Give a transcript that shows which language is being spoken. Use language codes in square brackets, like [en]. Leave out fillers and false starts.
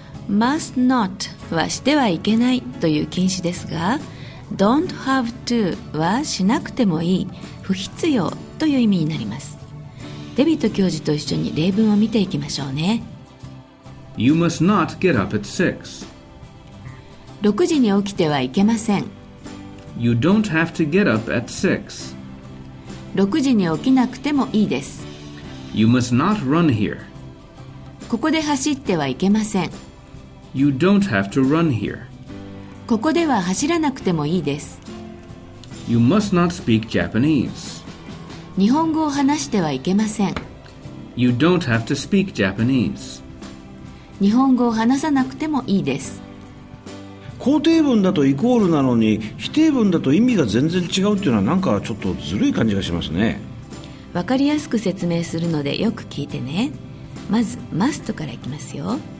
[ja] Must not はしてはいけないという禁止ですが、 Don't have to はしなくてもいい、不必要という意味になります。デビット教授と一緒に例文を見ていきましょうね。 [en] You must not get up at 6. [ja] 6時に起きてはいけません。 [en] You don't have to get up at 6. [ja] 6時に起きなくてもいいです。 [en] You must not run here. [ja] ここで走ってはいけません。 [en] You don't have to run here. [ja] ここでは走らなくてもいいです。 [en] You must not speak Japanese. [ja] 日本語を話してはいけません。 [en] You don't have to speak Japanese. [ja] 日本語を話さなくてもいいです。肯定文だとイコールなのに、否定文だと意味が全然違うっていうのはなんかちょっとずるい感じがしますね。わかりやすく説明するのでよく聞いてね。まず must からいきますよ。